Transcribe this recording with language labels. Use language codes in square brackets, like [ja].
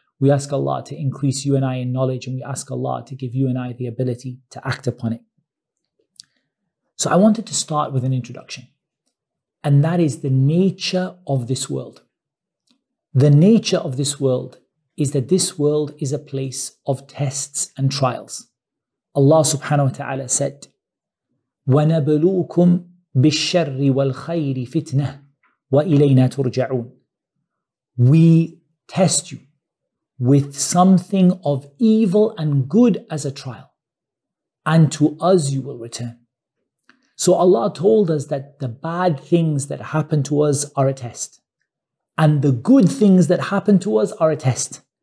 [en] We ask Allah to increase you and I in knowledge, and we ask Allah to give you and I the ability to act upon it. So I wanted to start with an introduction, and that is the nature of this world. The nature of this world is that this world is a place of tests and trials. Allah subhanahu wa ta'ala said, [ar] وَنَبْلُوكُمْ بِالشَّرِّ وَالْخَيْرِ فِتْنَةً وَإِلَيْنَا تُرْجَعُونَ. [en] We test you with something of evil and good as a trial, and to us you will return. So Allah told us that the bad things that happen to us are a test, and the good things that happen to us are a test.